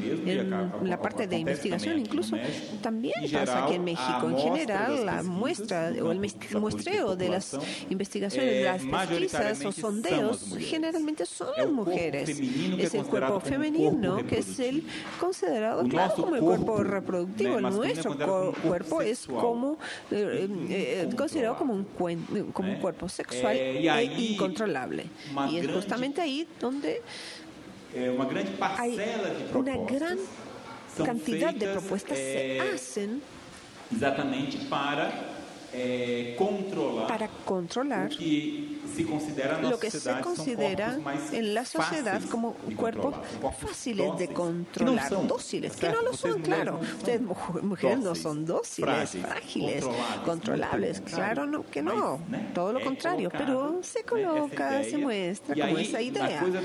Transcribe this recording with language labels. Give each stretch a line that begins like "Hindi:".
Spanish: En la parte de investigación, incluso, también pasa que en México, en general, la muestra o el muestreo de las investigaciones, las pesquisas o sondeos, generalmente son las mujeres. Es el cuerpo femenino que es el considerado, claro, como el cuerpo reproductivo. Nuestro cuerpo es como considerado como un cuerpo sexual.
Portuguese: E incontrolável. E é justamente aí onde uma grande parcela de propostas, uma grande quantidade de propostas se fazem exatamente para controlar, para controlar o que se considera na que sociedade, se considera
Spanish: en la sociedad como cuerpos fáciles de controlar, dóciles, que no lo son, claro. Ustedes, mujeres, no son dóciles, frágiles, controlables, claro que no, todo lo contrario, pero se coloca, se muestra como esa idea.